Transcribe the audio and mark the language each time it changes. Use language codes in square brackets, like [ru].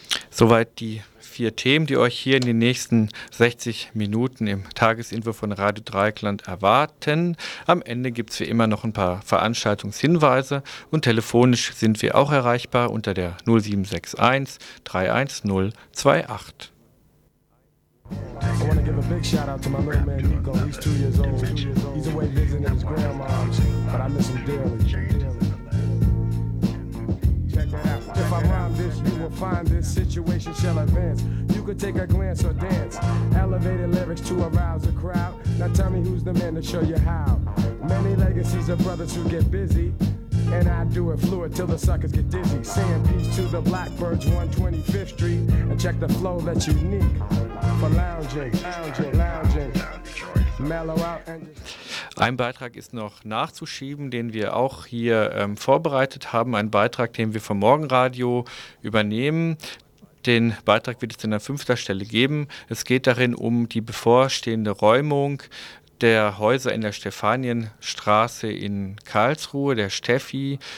[de] Soweit die 4 Themen, die euch hier in den nächsten 60 Minuten im Tagesinfo von Radio Dreieckland erwarten. Am Ende gibt es wie immer noch ein paar Veranstaltungshinweise und telefonisch sind wir auch erreichbar unter der 0761 31028. [en] I wanna give a big shout out to my little man Nico. He's 2 years old. He's away visiting his grandma's, but I miss him dearly. If I rhyme this, you will find this situation shall advance. You could take a glance or dance. Elevated lyrics to arouse a crowd. Now tell me who's the man to show you how. Many legacies of brothers who get busy. And I do it fluid till the suckers get dizzy. Saying peace to the Blackbirds, 125th Street. And check the flow that's unique. For lounging, lounging, lounging. Mellow out and [de] Ein Beitrag ist noch nachzuschieben, den wir auch hier vorbereitet haben. Ein Beitrag, den wir vom Morgenradio übernehmen. Den Beitrag wird es dann an 5. Stelle geben. Es geht darin um die bevorstehende Räumung der Häuser in der Stephanienstraße in Karlsruhe, der Steffi.